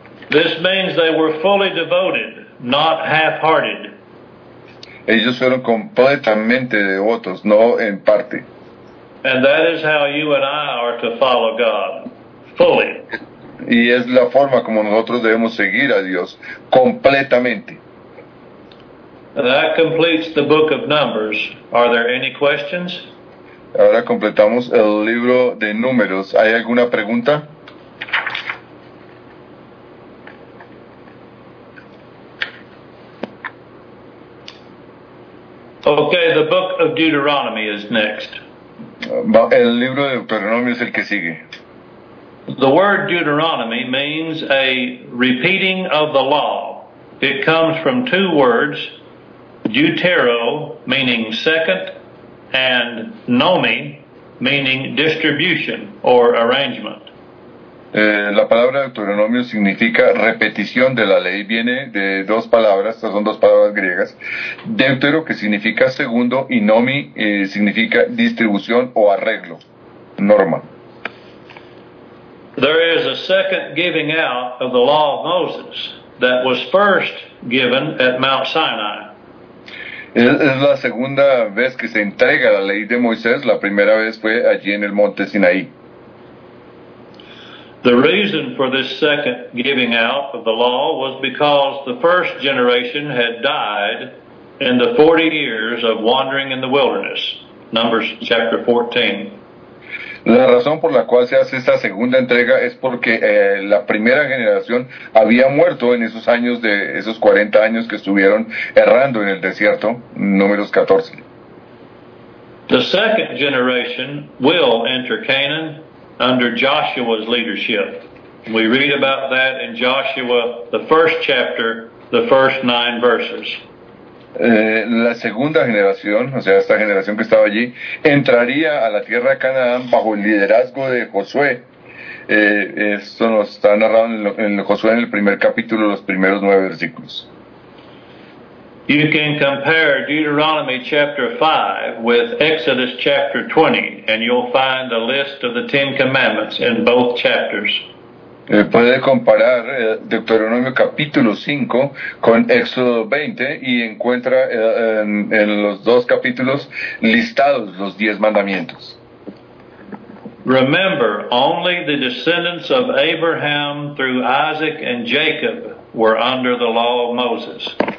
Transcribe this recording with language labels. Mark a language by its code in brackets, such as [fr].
[en] This means they were fully devoted, not half-hearted. [es] Ellos fueron completamente devotos, no en parte. [en] And that is how you and I are to follow God, fully. [es] Y es la forma como nosotros debemos seguir a Dios, completamente. [en] That completes the book of Numbers. Are there any questions? [es] Ahora completamos el libro de Números. ¿Hay alguna pregunta? [en] Okay, the book of Deuteronomy is next. [es] El libro de Deuteronomio es el que sigue. [en] The word Deuteronomy means a repeating of the law. It comes from two words. Deutero, meaning second, and nomi, meaning distribution or arrangement. [es] La palabra Deuteronomio significa repetición de la ley. Viene de dos palabras, estas son dos palabras griegas. Deutero, que significa segundo, y nomi, significa distribución o arreglo, norma. [en] There is a second giving out of the law of Moses that was first given at Mount Sinai. [es] Es la segunda vez que se entrega la ley de Moisés. La primera vez fue allí en el monte Sinaí. [en] The reason for this second giving out of the law was because the first generation had died in the 40 years of wandering in the wilderness. Numbers chapter 14. [es] La razón por la cual se hace esta segunda entrega es porque la primera generación había muerto en esos años, de esos 40 años que estuvieron errando en el desierto, Números 14. [en] The second generation will enter Canaan under Joshua's leadership. We read about that in Joshua, the first chapter, the first 9 verses. [es] La segunda generación, o sea, esta generación que estaba allí, entraría a la tierra de Canaán bajo el liderazgo de Josué. Esto nos está narrado en Josué, en el primer capítulo, los primeros 9 versículos. [en] You can compare Deuteronomy chapter 5 with Exodus chapter 20, and you'll find a list of the Ten Commandments in both chapters. [es] Puede comparar Deuteronomio capítulo 5 con Éxodo 20 y encuentra en los dos capítulos listados los 10 mandamientos. [en] Remember, only the descendants of Abraham through Isaac and Jacob were under the law of Moses.